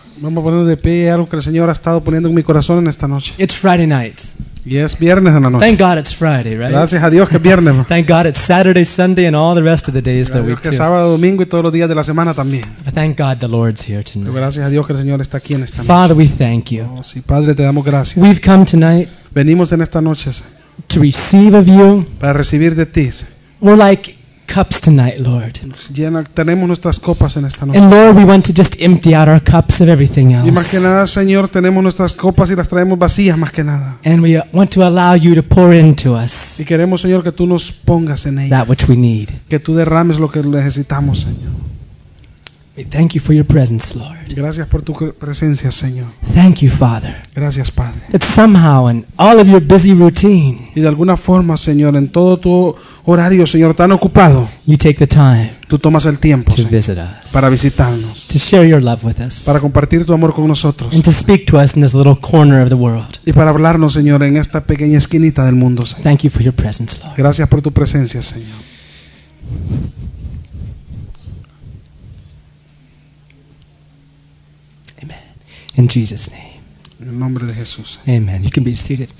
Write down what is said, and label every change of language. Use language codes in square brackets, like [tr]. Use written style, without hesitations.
[es] Vamos a poner de pie algo que el Señor ha estado poniendo en mi corazón en esta noche. [en] It's Friday night. [es] Yes, viernes en la noche. [en] Thank God it's Friday, right? [es] Gracias a Dios que es viernes. [en] Thank God it's Saturday, Sunday, and all the rest of the days [es] gracias [en] the week [es] que [en] too. [es] Sábado, domingo y todos los días de la semana también. [en] But thank God the Lord's here tonight. [es] Pero gracias a Dios que el Señor está aquí en esta noche. [en] Father, we thank you. [es] Oh, sí, Padre, te damos gracias. [en] We've come tonight. [es] Venimos en esta noche. [en] To receive of you. [es] Para recibir de ti. [en] We're like cups tonight, Lord. [es] Llena, tenemos nuestras copas en esta noche. [en] And Lord, we want to just empty out our cups of everything else. [es] Y más que nada, Señor, tenemos nuestras copas y las traemos vacías más que nada. [en] And we want to allow you to pour into us. [es] Y queremos, Señor, que tú nos pongas en ellas. [en] That which we need. [es] Que tú derrames lo que necesitamos, Señor. [en] We thank you for your presence, Lord. [es] Gracias por tu presencia, Señor. [en] Thank you, Father. [es] Gracias, Padre. [en] That somehow in all of your busy routine. [es] Y de alguna forma, Señor, en todo tu horario, Señor, tan ocupado. [en] You take the time. [es] Tú tomas el tiempo, [en] to [es] Señor, [en] visit us. [es] Para visitarnos. [en] To share your love with us. [es] Para compartir tu amor con nosotros. [en] And to speak to us in this little corner of the world. [es] Y para hablarnos, Señor, en esta pequeña esquinita del mundo, Señor. [en] Thank you for your presence, Lord. [es] Gracias por tu presencia, Señor. [en] In Jesus' name. [es] En el nombre de Jesús. [en] Amen. You can be seated.